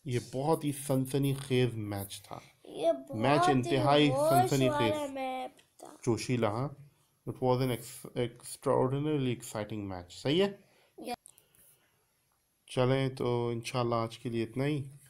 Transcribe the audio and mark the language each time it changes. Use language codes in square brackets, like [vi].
[ur] یہ بہت ہی سنسنی خیز میچ تھا. میچ انتہائی سنسنی خیز جوشیلا. [en] It was an extraordinarily exciting match. [ur] صحیح ہے. چلیں تو انشاءاللہ آج کے لیے اتنا ہی.